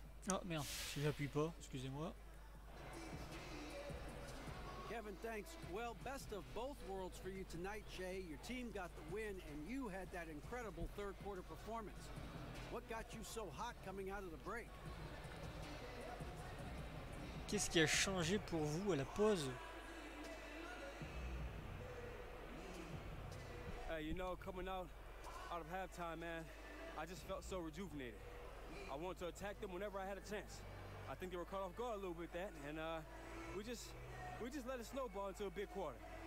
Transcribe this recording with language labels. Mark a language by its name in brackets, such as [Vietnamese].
[French] Oh merde, si j'appuie pas, excusez-moi. [English] Kevin, thanks. Well, best of both worlds for you tonight, Jay. Your team got the win and you had that incredible third quarter performance. What got you so hot coming out of the break? [French] Qu'est-ce qui a changé pour vous à la pause? [English] Hey, you know, coming out of halftime, man, I just felt so rejuvenated. I wanted to attack them whenever I had a chance. I think they were caught off guard a little bit that, and we just let it snowball into a big quarter.